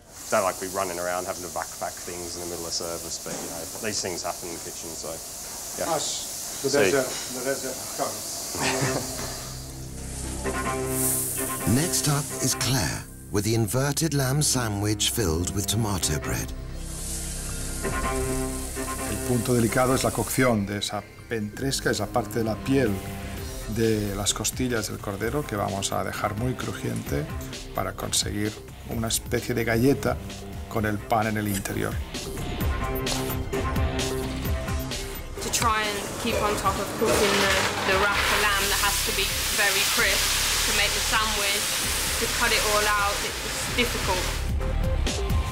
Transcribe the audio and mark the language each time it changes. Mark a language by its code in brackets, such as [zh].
[en] Don't like to be running around having to backpack things in the middle of service, but, you know, these things happen in the kitchen, so, yeah. Ash, the desert comes. Next up is Claire, with the inverted lamb sandwich filled with tomato bread. [es] El punto delicado es la cocción de esa ventresca, esa parte de la piel de las costillas del cordero que vamos a dejar muy crujiente para conseguir una especie de galleta con el pan en el interior. [en] To try and keep on top of cooking the rack of lamb that has to be very crisp to make the sandwich. To cut it all out, it's difficult.